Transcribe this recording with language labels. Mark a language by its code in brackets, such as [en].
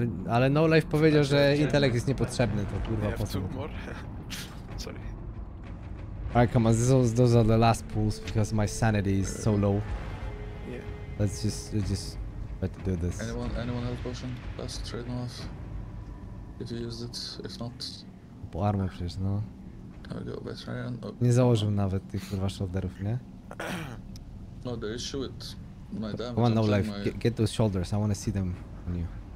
[pl] Ale no life powiedział, że intelekt jest niepotrzebny, to kurwa po co? [en] I have 2 more. Sorry. Alright, come on, those are the last pulls because my sanity is so low. Yeah. Let's just try to do this. Anyone health potion? Fast, trade no life. If you used it, if not... [pl] Po armę przecież, no. [en] I go veteran. Okay. [pl] Nie założył nawet tych kurwa shoulderów, nie? [en] No, the issue with my damage. Come on, no life. Get those shoulders. I want to see them on you.